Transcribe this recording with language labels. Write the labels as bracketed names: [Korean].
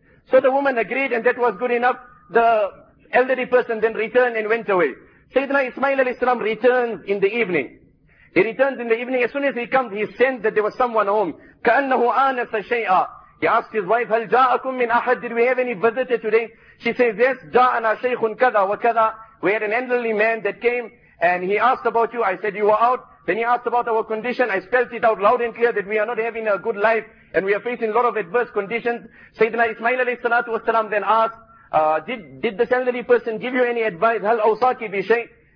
[English] So the woman agreed and that was good enough. The elderly person then returned and went away. Sayyidina Ismail alayhi salam returns in the evening. He returns in the evening. As soon as he comes, he sensed that there was someone home. [Arabic] كَأَنَّهُ آنَسَ شَيْئًا. [English] He asked his wife, [Arabic] هَلْ جَاءَكُمْ مِنْ أَحَدٍ. [English] Did we have any visitor today? She says, yes, [Arabic] جَاءَنَا شَيْخٌ كَذَا وَكَذَا. [English] We had an elderly man that came and he asked about you. I said, you were out. Then he asked about our condition. I spelled it out loud and clear that we are not having a good life and we are facing a lot of adverse conditions. Sayyidina Ismail alayhi salatu wasalam then asked, did this elderly person give you any advice? [Arabic] هَلْ أَوْصَاكِ بِشَيْءٍ.